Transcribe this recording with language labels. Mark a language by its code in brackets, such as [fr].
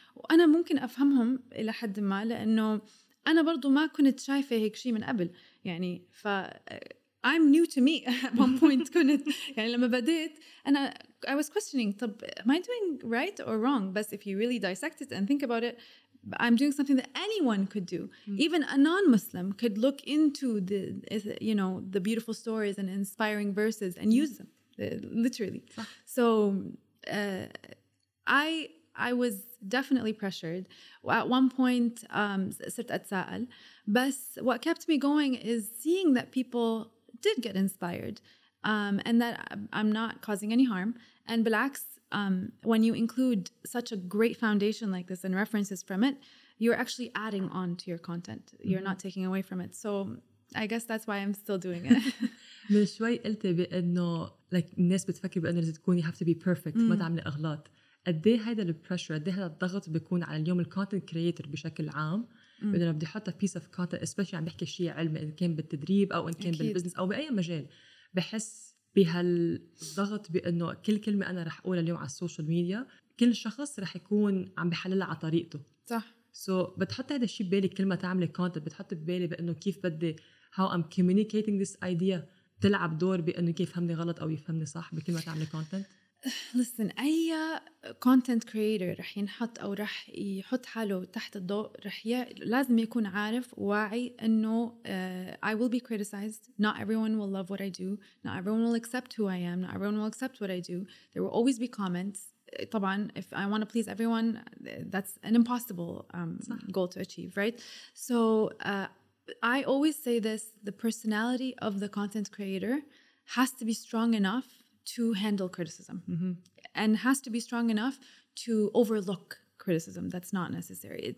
[ar] وأنا ممكن أفهمهم إلى حد ما، لأنه أنا برضو ما كنت شايفة هيك شيء من قبل يعني. [en] ف I'm new to me at one point [ar] كنت يعني لما بديت أنا [en] I was questioning طب am I doing right or wrong, but if you really dissect it and think about it I'm doing something that anyone could do. Even a non-Muslim could look into the, you know, the beautiful stories and inspiring verses and use them, literally. So I was definitely pressured. At one point, [ar] صرت أتساءل. [en] But what kept me going is seeing that people did get inspired and that I'm not causing any harm. And [ar] بالعكس, [en] when you include such a great foundation like this and references from it, you're actually adding on to your content. You're not taking away from it. So I guess that's why I'm still doing it. [ar] من شوي قلت بأنه الناس بتفكر بأنه لازم تكون [en] you have to be perfect [ar] ما تعمل أغلاط. قدي هذا pressure، قدي هذا الضغط بيكون على اليوم الكونتنت كرياتر بشكل عام بأنه بدي حط [en] a piece of content especially [ar] عم بحكي شيء علمي، إن كان بالتدريب أو إن كان بالبزنس أو بأي مجال، بحس بهالضغط بأنه كل كلمة أنا رح أقولها اليوم على السوشيال ميديا كل شخص رح يكون عم بحللها على طريقته. صح. So بتحط هذا الشيء ببالك كل ما تعملي content، بتحط ببالي بأنه كيف بدي [en] how I'm communicating this idea، [ar] تلعب دور بأنه كيف يفهمني غلط أو يفهمني صح بكل ما تعملي content. [en] Listen، [ar] أي content creator رح ينحط أو رح يحط حاله تحت الضوء رح لازم يكون عارف واعي أنه [en] I will be criticized. Not everyone will love what I do. Not everyone will accept who I am. Not everyone will accept what I do. There will always be comments. [ar] طبعا [en] if I want to please everyone that's an impossible goal to achieve, right? So I always say this, the personality of the content creator has to be strong enough to handle criticism and has to be strong enough to overlook criticism that's not necessary.